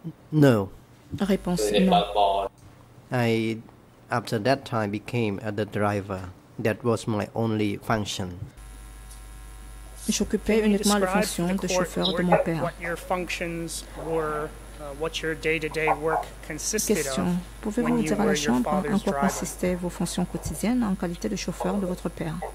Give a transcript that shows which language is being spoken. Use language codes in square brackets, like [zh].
[en] No. [fr] Réponse non. [en] I, after that time, became the driver. That was my only function. [fr] J'occupais uniquement la fonction de chauffeur de mon père. [en] What your functions were, what your day-to-day work consisted of. [fr] Question. Pouvez-vous me dire à la chambre en quoi consistaient vos fonctions quotidiennes en qualité de chauffeur de votre père?